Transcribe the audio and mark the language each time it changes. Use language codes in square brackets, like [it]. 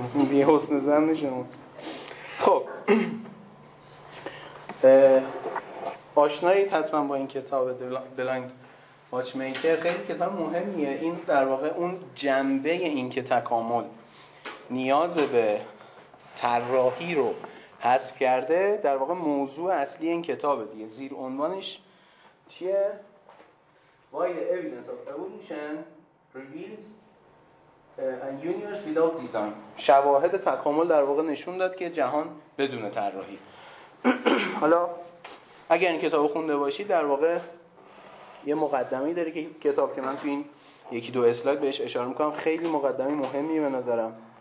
[fa] بی حسن زن شما. خب آشنایید حتما با این کتاب بلایند واچ میکر، خیلی کتاب مهمیه. این در واقع اون جنبه این که تکامل نیاز به طراحی رو حذف کرده، در واقع موضوع اصلی این کتاب دیگه. زیر عنوانش چیه؟ [en] Why the evidence of evolution reveals a universe without design. [fa] شواهد تکامل در واقع نشون داد که جهان بدون طراحی. حالا اگر این کتاب خونده باشید در واقع یه مقدمه‌ای داره که کتاب که من تو این یکی دو اسلاید بهش اشاره میکنم، خیلی مقدمه مهمیه به نظرم.